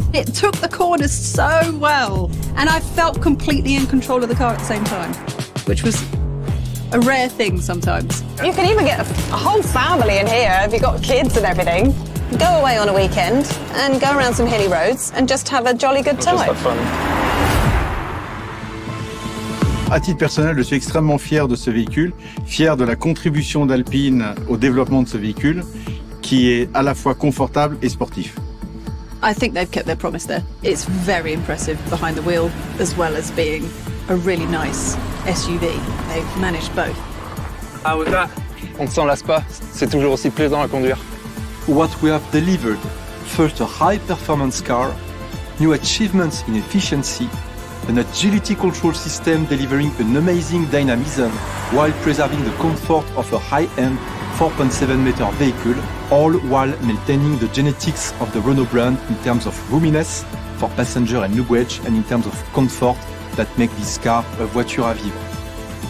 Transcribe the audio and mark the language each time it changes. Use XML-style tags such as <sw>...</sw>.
<en>It took the corners so well, and I felt completely in control of the car at the same time, which was a rare thing sometimes. You can even get a whole family in here if you've got kids and everything. Go away on a weekend and go around some hilly roads and just have a jolly good time. Just have fun.</en> <fr>À titre personnel, je suis extrêmement fier de ce véhicule, fier de la contribution d'Alpine au développement de ce véhicule, qui est à la fois confortable et sportif.</fr> <en>I think they've kept their promise there. It's very impressive behind the wheel, as well as being a really nice SUV. They've managed both. How was that?</en> <fr>On ne s'en lasse pas, c'est toujours aussi plaisant à conduire.</fr> <en>What we have delivered, first a high-performance car, new achievements in efficiency, an agility control system delivering an amazing dynamism while preserving the comfort of a high-end 4.7-meter vehicle, all while maintaining the genetics of the Renault brand in terms of roominess for passenger and luggage and in terms of comfort that make this car a</en> <fr>voiture à vivre.</fr>